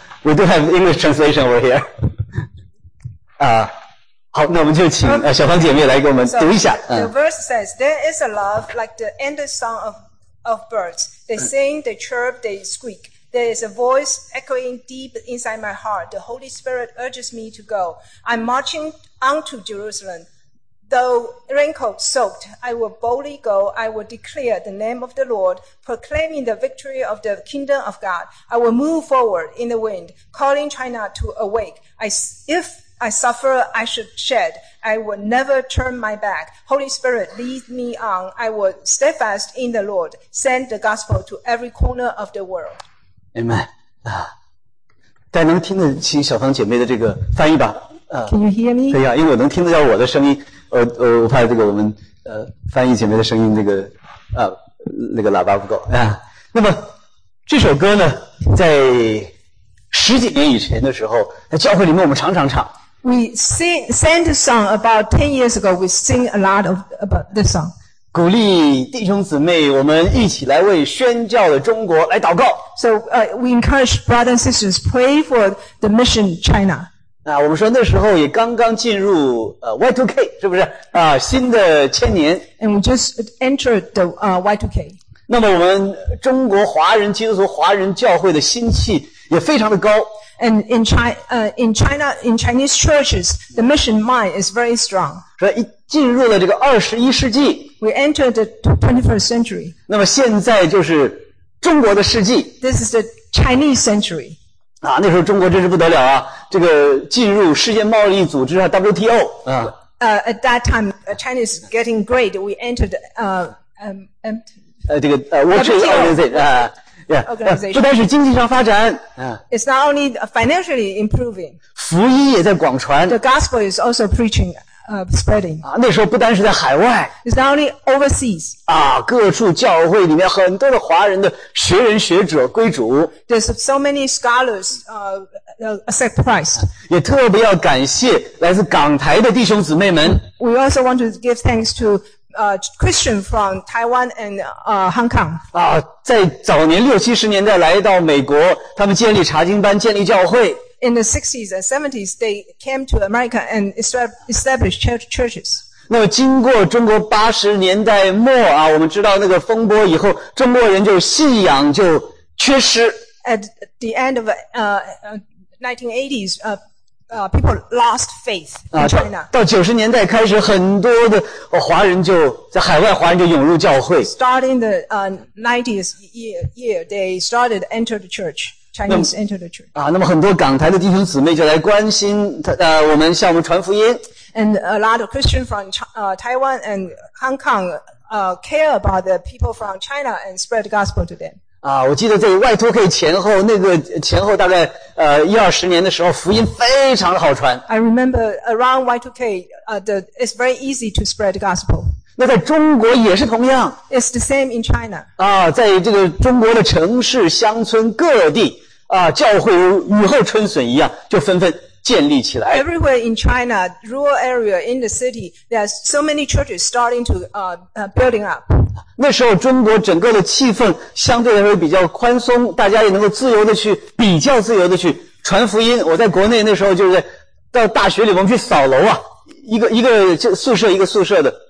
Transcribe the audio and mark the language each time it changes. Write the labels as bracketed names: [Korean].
[English] We do have English translation over here. [Chinese] 好，那我们就请小芳姐妹来给我们读一下。 [English] The verse says, "There is a love like the endless song of birds. They sing, they chirp, they squeak. There is a voice echoing deep inside my heart. The Holy Spirit urges me to go. I'm marching on to Jerusalem." Though raincoat soaked, I will boldly go. I will declare the name of the Lord, proclaiming the victory of the kingdom of God. I will move forward in the wind, calling China to awake. If I suffer, I should shed. I will never turn my back. Holy Spirit, lead me on. I will steadfast in the Lord, send the gospel to every corner of the world. Amen. [Chinese] 大家能听得清小芳姐妹的这个翻译吧？ [English] Can you hear me? [Chinese] 对呀，因为我能听得到我的声音。我怕这个我们翻译姐妹的声音，这个那个喇叭不够啊。那么这首歌呢，在十几年以前的时候，在教会里面我们常常唱。 [English] We sang the song about 10 years ago. We sing a lot of about this song. [Chinese] 鼓励弟兄姊妹，我们一起来为宣教的中国来祷告。 [English] So we encourage brothers and sisters pray for the mission China. [Chinese] 啊，我们说那时候也刚刚进入Y2K， 是不是啊？新的千年。 [English] And we just entered the Y2K. [Chinese] 那么我们中国华人基督徒华人教会的心气也非常的高。 [English] And in China, in Chinese churches, the mission mind is very strong. [Chinese] 说一进入了这个21世纪。 [English] We entered the 21st century. [Chinese] 那么现在就是中国的世纪。 [English] This is the Chinese century. [Chinese] 啊，那时候中国真是不得了啊！这个进入世界贸易组织啊 ，WTO 啊。 [English] At that time, China is getting great. We entered World Trade Organization. Organization. [Chinese] 不单是经济上发展啊。 [English] It's not only financially improving. [Chinese] 福音也在广传。 [English] The gospel is also preaching, spreading. [Chinese] 啊，那时候不单是在海外。 [English] It's not only overseas. [Chinese] 啊，各处教会里面很多的华人的学人学者归主。 [English] There's so many scholars, accept Christ. [Chinese] 也特别要感谢来自港台的弟兄姊妹们。 [English] We also want to give thanks to Christian from Taiwan and Hong Kong. [Chinese] 啊，在早年六七十年代来到美国，他们建立查经班，建立教会。 [English] In the 60s and 70s, they came to America and established churches. [Chinese] 那么经过中国80年代末啊，我们知道那个风波以后，中国人就信仰就缺失。 [English] At the end of 1980s, people lost faith in China. [Chinese] 到90年代开始，很多的华人就在海外，华人就涌入教会。 [English] Starting the 90s year, they started entered the church. Chinese entered the church. [Chinese] 啊，那么很多港台的弟兄姊妹就来关心我们向我们传福音。 [English] And a lot of Christians from Taiwan and Hong Kong care about the people from China and spread the gospel to them. [Chinese] 啊，我记得在 Y2K 前后，那个前后大概一二十年的时候，福音非常的好传。 [English] I remember around Y2K, it's very easy to spread the gospel. [Chinese] 那在中国也是同样。 [English] It's the same in China. [Chinese] 啊，在这个中国的城市、乡村各地，啊，教会如雨后春笋一样，就纷纷建立起来。 [English] Everywhere in China, rural area in the city, there's so many churches starting to building up. [Chinese] 那时候中国整个的气氛相对来说比较宽松，大家也能够自由的去比较自由的去传福音。我在国内那时候就是到大学里我们去扫楼啊，一个宿舍一个宿舍的。